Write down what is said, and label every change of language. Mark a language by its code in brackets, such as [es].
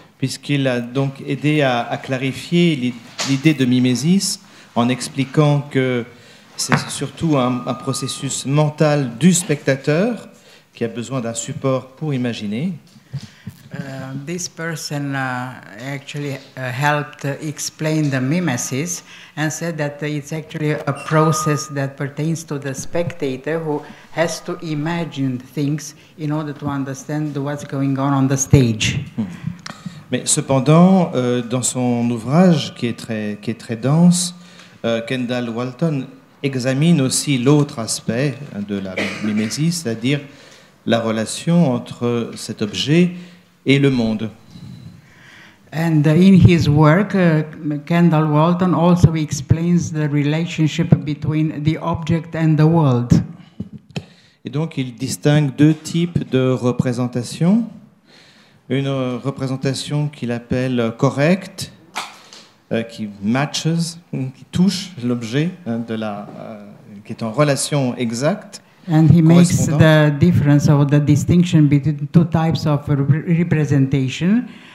[fr] Puisqu'il a donc aidé à clarifier l'idée de mimésis en expliquant que c'est surtout un processus mental du spectateur qui a besoin d'un support pour imaginer. [en] This person actually helped explain the mimesis and said that it's actually a process that pertains to the spectator who has to imagine things in order to understand what's going on the stage. [fr] Mais cependant, dans son ouvrage qui est très dense, Kendall Walton examine aussi l'autre aspect de la mimesis, c'est-à-dire la relation entre cet objet et le monde. [en] And in his work, Kendall Walton also explains the relationship between the object and the world. [fr] Et donc, il distingue deux types de représentations. Une représentation qu'il appelle correcte, qui matches, qui touche l'objet de la, qui est en relation exacte. [en] And he makes the difference or the distinction between two types of representation.